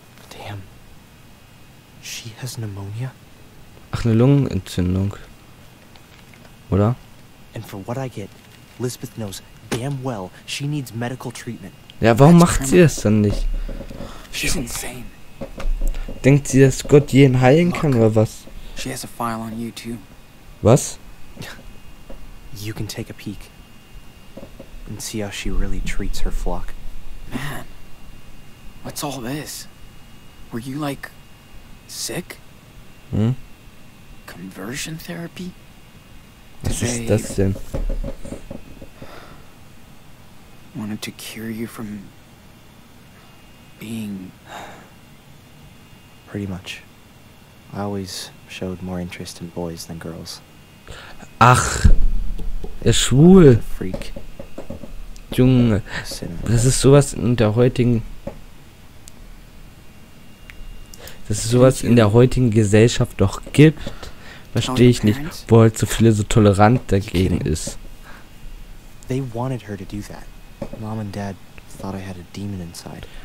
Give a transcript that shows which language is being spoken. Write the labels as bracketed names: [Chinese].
[English] Damn. She has pneumonia? [German] Ach, eine Lungenentzündung. Oder? [English] And for what I get, Lisbeth knows damn well she needs medical treatment. [German] Ja, warum macht sie das dann nicht? [English] She's insane. [German] Denkt sie, dass Gott jeden heilen kann oder was? [English] She has a file on you too. [German] Was? [English] You can take a peek and see how she really treats her flock. Man, what's all this? Were you like sick? Hm? Conversion therapy? [German] Was ist das denn? [English] Wanted to cure you from being pretty much. I always showed more interest in boys than girls. [German] Ach, er ist schwul. Freak. Junge, das ist sowas in der heutigen. Dass es sowas in der heutigen Gesellschaft doch gibt, verstehe ich nicht, wo halt so viele so tolerant dagegen ist. [English] They wanted her to do that. Mom and Dad thought I had a demon inside.